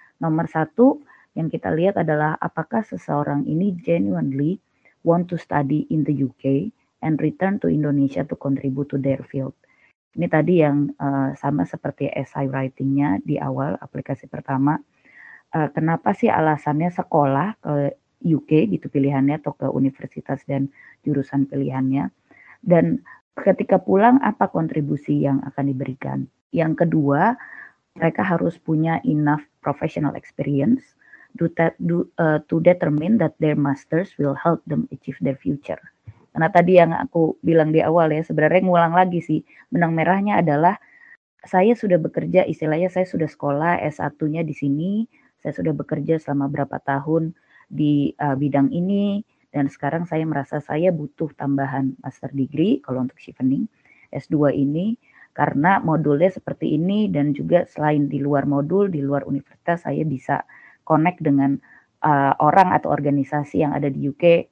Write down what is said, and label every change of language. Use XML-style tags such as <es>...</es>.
<id>Nomor satu yang kita lihat adalah apakah seseorang ini</id> <en>genuinely want to study in the UK and return to Indonesia to contribute to their field.</en> <id>Ini tadi yang sama seperti essay writingnya di awal, aplikasi pertama. Kenapa sih alasannya sekolah ke UK gitu pilihannya, atau ke universitas dan jurusan pilihannya. Dan ketika pulang, apa kontribusi yang akan diberikan? Yang kedua, mereka harus punya</id> <en>enough professional experience to determine that their masters will help them achieve their future.</en> <id>Karena tadi yang aku bilang di awal ya, sebenarnya ngulang lagi sih, benang merahnya adalah saya sudah bekerja, istilahnya saya sudah sekolah S1-nya di sini, saya sudah bekerja selama berapa tahun di bidang ini, dan sekarang saya merasa saya butuh tambahan master degree, kalau untuk chevening, S2 ini, karena modulnya seperti ini, dan juga selain di luar modul, di luar universitas, saya bisa connect dengan orang atau organisasi yang ada di UK,</id>